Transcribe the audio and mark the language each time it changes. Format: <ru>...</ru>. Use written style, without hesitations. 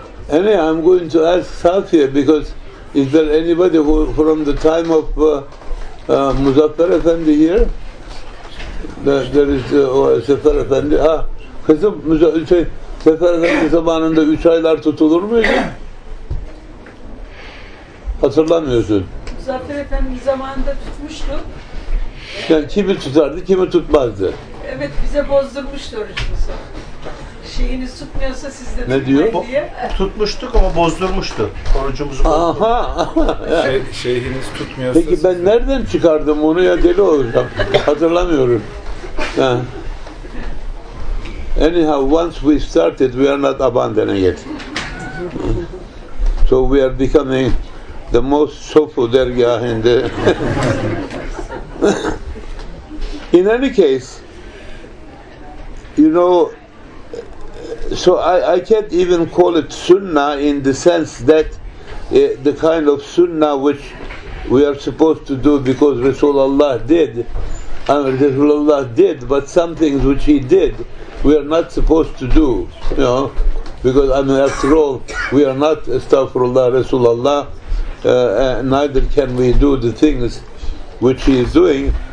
<en>Anyway, I'm going to ask Safia, because is there anybody who from the time of Muzaffar Effendi here?</en> <tr>Sefer Efendi. Ah, kızım, Sefer Efendi zamanında 3 aylar tutulur muydu? Hatırlamıyorsun. Muzaffer Efendi zamanında tutmuştu. Yani kimi tutardı, kimi tutmazdı. Evet, bize bozdurmuştu orucumuzu. Şeyini tutmuyorsa siz de ne diyor? Diye. Tutmuştuk ama bozdurmuştu. Orucumuzu bozdurmuştu. Aha! Şeyhiniz tutmuyorsa... Peki ben nereden çıkardım onu ya, deli olacağım. Hatırlamıyorum.</tr> <en>Anyhow, once we started, we are not abandoning it. So we are becoming the most sofu dergah in the... In any case, you know, so I can't even call it sunnah in the sense that the kind of sunnah which we are supposed to do because Rasulullah did, and Rasulullah did, but some things which he did, we are not supposed to do, you know, because I mean, after all, we are not astaghfirullah Rasulullah, neither can we do the things which he is doing.</en>